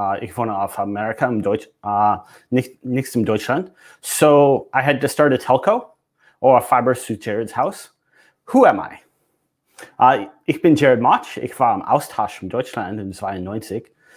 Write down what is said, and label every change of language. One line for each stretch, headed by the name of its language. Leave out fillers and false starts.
German: Ich wohne auf Amerika, im Deutsch, nicht in Deutschland.
English: So I had to start a telco or a fiber to Jared's house. Who am I?
German: Ich bin Jared Mauch. Ich war im Austausch in Deutschland in 92.